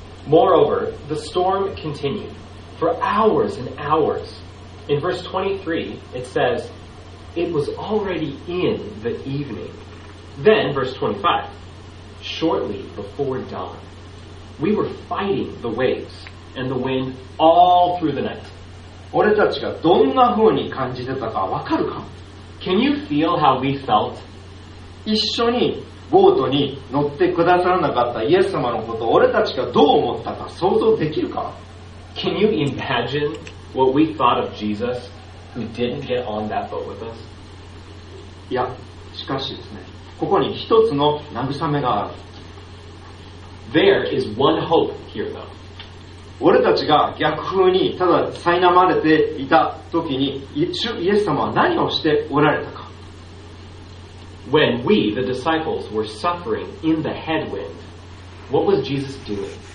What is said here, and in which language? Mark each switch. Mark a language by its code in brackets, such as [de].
[en] Moreover, the storm continued for hours and hours. In verse 23, it says, It was already in the evening. Then, verse 25, shortly before dawn, we were fighting the waves and the wind all through the night. [ja] 俺たちがどんな風に感じてたかわかるか？ [en] Can you feel how we felt? [ja] 一緒にボートに乗ってくださらなかったイエス様のことを俺たちがどう思ったか想像できるか? [en] Can you imagine what we thought of Jesus who didn't get on that boat with us? [ja] いや、しかしですね、ここに一つの慰めがある。 [en] There is one hope here though. [ja] 俺たちが逆風にただ苛まれていた時に、イエス様は何をしておられたか。 [en] When we, the disciples, were suffering in the headwind, what was Jesus doing?